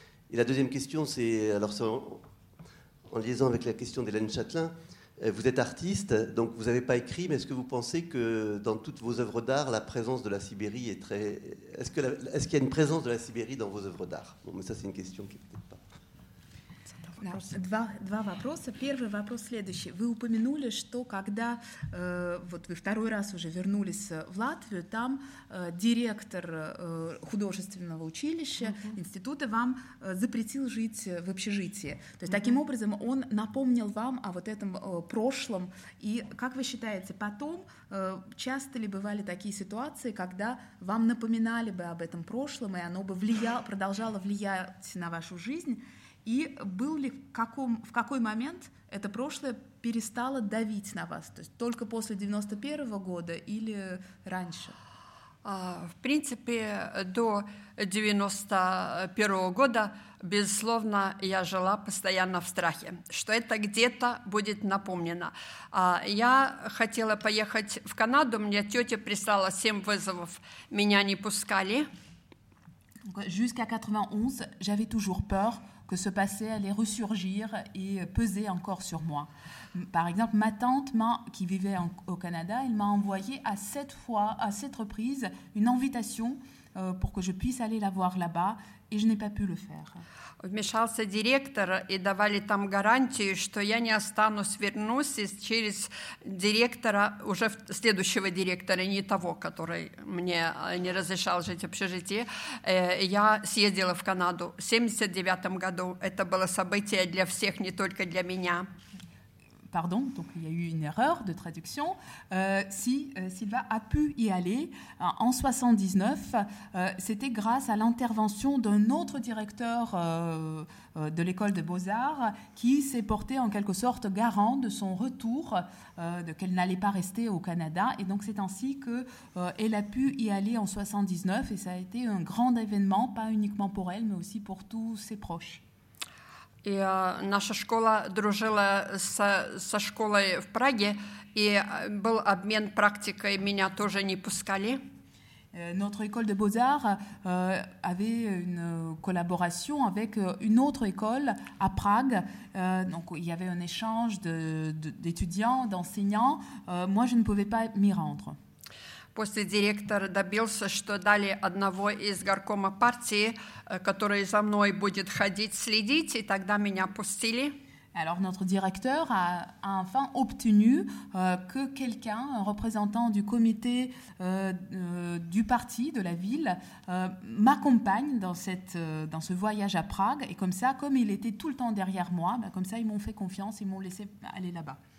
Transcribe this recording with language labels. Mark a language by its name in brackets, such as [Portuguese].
[French] Et la deuxième question, c'est, alors c'est en liaison avec la question d'Hélène Châtelain, vous êtes artiste, donc vous n'avez pas écrit, mais est-ce que vous pensez que dans toutes vos œuvres d'art, la présence de la Sibérie est très... Est-ce qu'il y a une présence de la Sibérie dans vos œuvres d'art? Bon, mais ça, c'est une question qui n'est peut-être pas... [Russian] вопроса. Да, два вопроса. Первый вопрос следующий. Вы упомянули, что когда вот вы второй раз уже вернулись в Латвию, там директор художественного училища, института вам запретил жить в общежитии. То есть таким образом он напомнил вам о вот этом прошлом. И как вы считаете, потом часто ли бывали такие ситуации, когда вам напоминали бы об этом прошлом, и оно бы продолжало влиять на вашу жизнь? И был ли в какой момент это прошлое перестало давить на вас? То есть только после 91-го года или раньше? В принципе, до 91-го года, безусловно, я жила постоянно в страхе, что это где-то будет напомнено. Я хотела поехать в Канаду, мне тетя прислала 7 вызовов, меня не пускали. [French] Jusqu'à 91, j'avais toujours peur. Que ce passé allait ressurgir et peser encore sur moi. Par exemple, ma tante, qui vivait au Canada, elle m'a envoyé à 7 reprises une invitation pour que je puisse aller la voir là-bas et je n'ai pas pu le faire. [Russian] Вмешался директор и давали там гарантию, что я не останусь, вернусь через директора, уже следующего директора, не того, который мне не разрешал жить в общежитии. Я съездила в Канаду в 79 году. Это было событие для всех, не только для меня. [French] Pardon, donc il y a eu une erreur de traduction. Si Sylva a pu y aller en 79, c'était grâce à l'intervention d'un autre directeur de l'école de Beaux-Arts qui s'est porté en quelque sorte garant de son retour, de qu'elle n'allait pas rester au Canada. Et donc c'est ainsi qu'elle a pu y aller en 79 et ça a été un grand événement, pas uniquement pour elle, mais aussi pour tous ses proches. [Russian] И наша школа дружила со школой в Праге, и был обмен практикой, меня тоже не пускали. [French] Notre école de Beaux-Arts avait une collaboration avec une autre école à Prague. Donc il y avait un échange d'étudiants, d'enseignants. Moi, je ne pouvais pas m'y rendre. [Russian] После директор добился, что дали одного из горкома партии, который за мной будет ходить, следить, и тогда меня пустили. [French] Alors notre directeur a enfin obtenu que quelqu'un, un représentant du comité du parti de la ville, m'accompagne dans ce voyage à Prague. Et comme ça, comme il était tout le temps derrière moi, comme ça ils m'ont fait confiance, ils m'ont laissé aller là-bas.